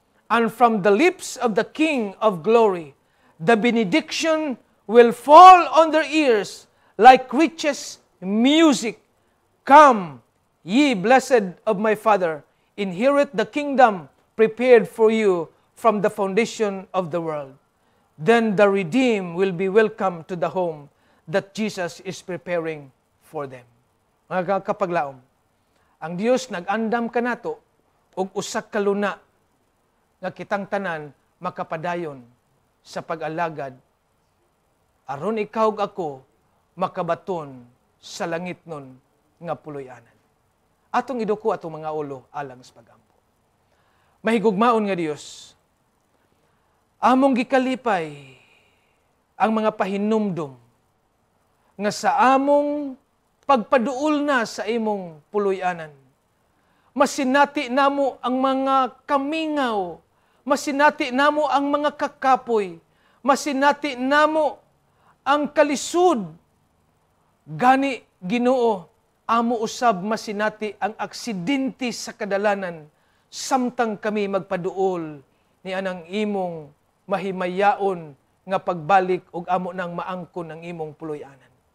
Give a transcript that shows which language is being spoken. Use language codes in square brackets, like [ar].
[en] And from the lips of the King of Glory, the benediction will fall on their ears like richest music. Come, ye blessed of my Father, inherit the kingdom prepared for you from the foundation of the world. Then the redeemed will be welcome to the home that Jesus is preparing for them. [ceb] Mga kapaglaom, ang Dios nag-andam kanato og usak kaluna nga kitang tanan makapadayon sa pag-alagad aron ikaw ug ako makabaton sa langit nun nga puloy-anan. Atong iduko atong mga ulo alang sa pag-ampo. Mahigugmaon nga Dios, among gikalipay ang mga pahinumdum nga sa among pagpaduol na sa imong puloy-anan. Masinati namo ang mga kamingaw, masinati namo ang mga kakapoy, masinati namo ang kalisud. Gani Ginoo, amo usab masinati ang aksidente sa kadalanan samtang kami magpaduol ni anang imong mahimayaon nga pagbalik ug amo nang maangkon ang imong puloy-anan.